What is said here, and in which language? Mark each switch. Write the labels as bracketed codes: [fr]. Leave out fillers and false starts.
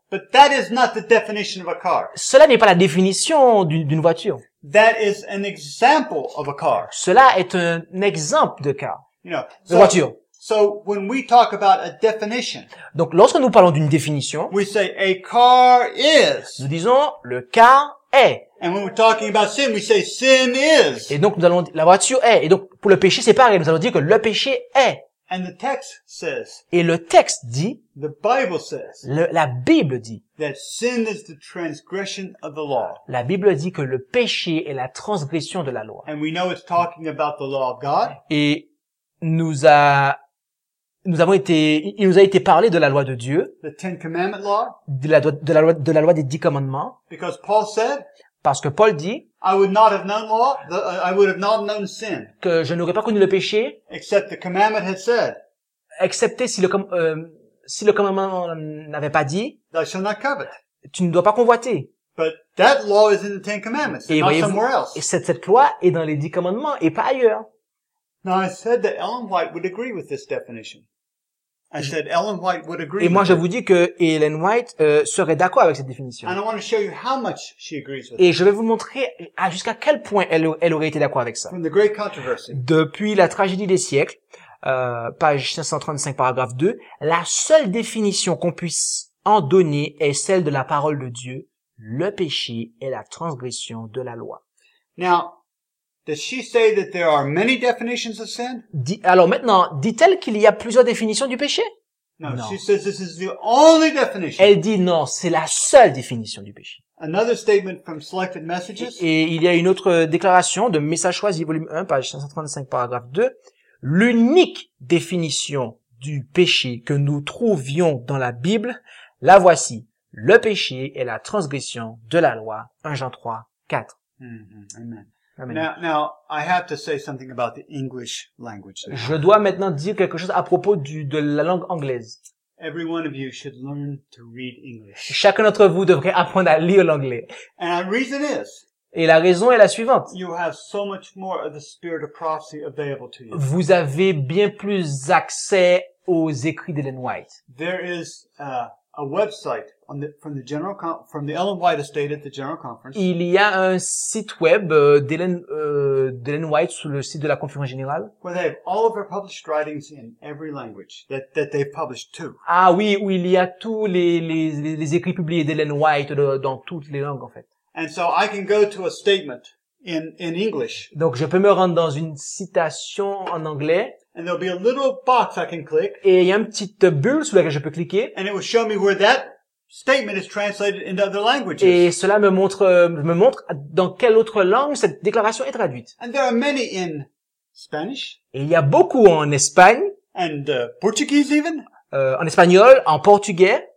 [en] But that is not the definition of a car. [fr] Cela n'est pas la définition d'une voiture. [en] That is an example of a car. [fr] Cela est un exemple de car. [en] You know, [fr] de voiture. [en] So when we talk about a definition. [fr] Donc lorsque nous parlons d'une définition, [en] we say a car is. [fr] Nous disons le car est. [en] And when we're talking about sin, we say sin is. [fr] Et donc nous allons dire, la voiture est. Et donc pour le péché c'est pareil, nous allons dire que le péché est. [en] And the text says. [fr] Et le texte dit. [en] The Bible says. [fr] La Bible dit. [en] That sin is the transgression of the law. [fr] La Bible dit que le péché est la transgression de la loi. [en] And we know it's talking about the law of God. [fr] Et il nous a été parlé de la loi de Dieu. [en] The Ten Commandment law. [fr] De la loi des dix commandements. [en] Because Paul said. [fr] Parce que Paul dit. [en] I would not have known law. I would have not known sin. [fr] Que je n'aurais pas connu le péché. [en] Except the commandment had said. [fr] Excepté si le commandement n'avait pas dit. [en] Thou shalt not covet. [fr] Tu ne dois pas convoiter. [en] But that law is in the Ten Commandments. [fr] Et [en] not somewhere else. [fr] Et cette loi est dans les dix commandements et pas ailleurs. [en] Now I said that Ellen White would agree with this definition. I said Ellen White would agree. [fr] Et moi je vous dis que Ellen White serait d'accord avec cette définition. [en] And I want to show you how much she agrees with. [fr] Et je vais vous montrer jusqu'à quel point elle aurait été d'accord avec ça. [en] From the great controversy. [fr] Depuis la tragédie des siècles, page 535 paragraphe 2, la seule définition qu'on puisse en donner est celle de la parole de Dieu, le péché est la transgression de la loi. [en] Now, does she say that there are many definitions of sin? [fr] Alors maintenant, dit-elle qu'il y a plusieurs définitions du péché? [en] No, non. She says this is the only definition. [fr] Elle dit non, c'est la seule définition du péché. [en] Another statement from Selected Messages. [fr] Et il y a une autre déclaration de Message choisi, volume 1, page 535, paragraphe 2. L'unique définition du péché que nous trouvions dans la Bible, la voici. Le péché est la transgression de la loi. 1 Jean 3, 4. Mm-hmm. Amen. [en] Now I have to say something about the English language. There. [fr] Je dois maintenant dire quelque chose à propos de la langue anglaise. [en] Every one of you should learn to read English. [fr] Chacun d'entre vous devrait apprendre à lire l'anglais. [en] And the reason is. [fr] Et la raison est la suivante. [en] You have so much more of the spirit of prophecy available to you. [fr] Vous avez bien plus accès aux écrits d'Ellen White. [en] There is a website from the Ellen White Estate at the General Conference. [fr] Il y a un site web d'Ellen White sur le site de la Conférence Générale. [en] Where they have all of her published writings in every language that they've published too. [fr] Ah oui, où il y a tous les écrits publiés d'Ellen White dans toutes les langues en fait. [en] And so I can go to a statement in English. [fr] Donc je peux me rendre dans une citation en anglais. [en] And there'll be a little box I can click. [fr] Et il y a une petite bulle sur laquelle je peux cliquer. [en] And it will show me where that statement is translated into other languages. [fr] Et cela me montre dans quelle autre langue cette déclaration est traduite. [en] And there are many in Spanish. [fr] Et il y a beaucoup en Espagne. [en] And Portuguese even. [fr] En espagnol, en portugais.